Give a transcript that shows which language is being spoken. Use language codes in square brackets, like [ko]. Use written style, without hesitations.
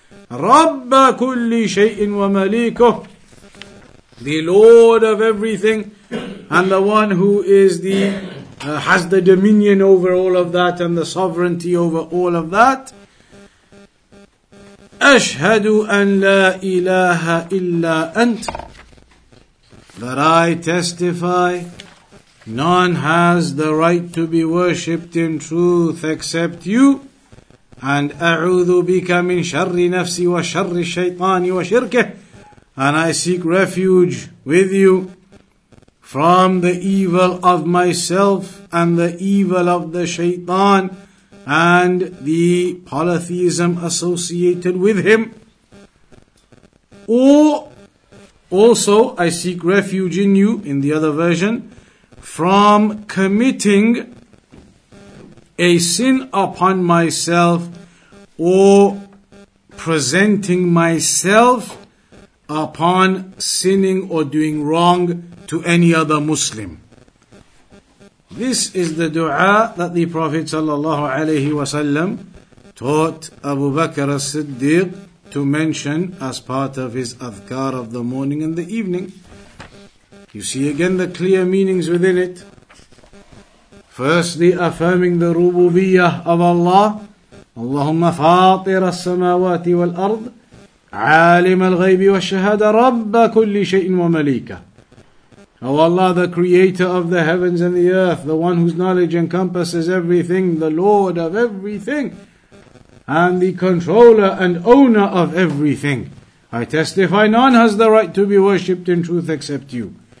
[ar] Rabba kulli shay'in wa malikuh, [en] the Lord of everything, and the one who is the has the dominion over all of that and the sovereignty over all of that. [ar] Ashhadu an la ilaha illa ant. [en] That I testify None has the right to be worshipped in truth except you. And [ar] أعوذ بك من شر نفسي وشر الشيطان وشركه. [en] And I seek refuge with you from the evil of myself and the evil of the shaitan and the polytheism associated with him. Or also I seek refuge in you, in the other version, from committing a sin upon myself or presenting myself upon sinning or doing wrong to any other Muslim. This is the dua that the Prophet sallallahu alayhi wasallam taught Abu Bakr as-Siddiq to mention as part of his adhkar of the morning and the evening. You see again the clear meanings within it. Firstly, affirming the rububiyyah of Allah. [ar] Allahumma fatir as-samawati wal-ard, عالم الغيب والشهادة رب كل شيء ومليكه. [en] O Allah, the creator of the heavens and the earth, the one whose knowledge encompasses everything, the Lord of everything, and the controller and owner of everything. I testify none has the right to be worshipped in truth except you.